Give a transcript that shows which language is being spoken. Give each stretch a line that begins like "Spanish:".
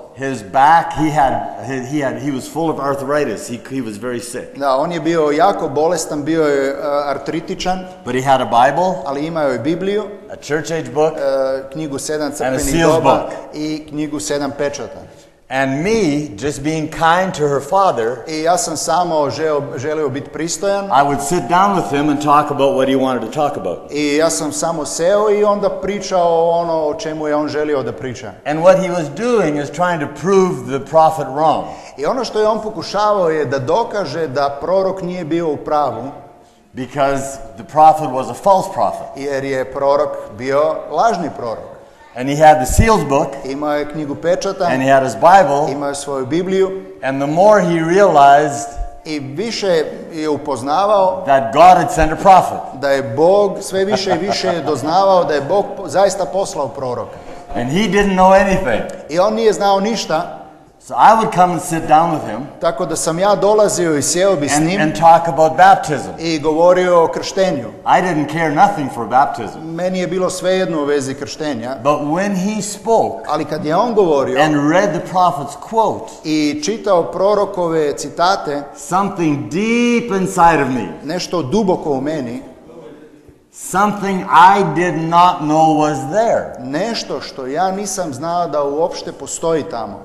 English: His back, he was full of arthritis. He was very sick.
Croatian: Da, on je bio jako bolestan, bio je artritičan.
English: But he had a Bible.
Croatian: Ali imao je Bibliju.
English: A church age book.
Croatian: Knjigu sedam crkvenih doba. I knjigu sedam pečata.
English: And me, just being kind to her father,
Croatian: i ja sam samo želio biti pristojan.
English: I would sit down with him and talk about what he wanted to talk about.
Croatian: I ja sam samo seo i onda pričao ono o čemu je on želio da priča.
English: And what he was doing is trying to prove the prophet wrong.
Croatian: I ono što je on pokušavao je da dokaže da prorok nije bio u pravu.
English: Because the prophet was a false prophet.
Croatian: Jer je prorok bio lažni prorok.
English: And he had the seals book.
Croatian: Imao je knjigu pečata.
English: And he had his Bible.
Croatian: Imao je svoju Bibliju.
English: And the more he realized,
Croatian: i više je upoznavao,
English: that God had sent a prophet.
Croatian: Da je Bog sve više i više doznavao da je Bog zaista poslao proroka.
English: And he didn't know anything.
Croatian: I on nije znao ništa.
English: So I would come and sit down with him.
Croatian: Tako da sam ja dolazio i sjeo bi s njim.
English: And talk about baptism.
Croatian: I govorio o krštenju.
English: I didn't care nothing for baptism.
Croatian: Meni je bilo svejedno u vezi krštenja.
English: But when he spoke.
Croatian: Ali kad je on govorio.
English: And read the prophet's quote.
Croatian: I čitao prorokove citate.
English: Something deep inside of me.
Croatian: Nešto duboko u meni.
English: Something I did not know was there.
Croatian: Nešto što ja nisam znao da uopšte postoji tamo.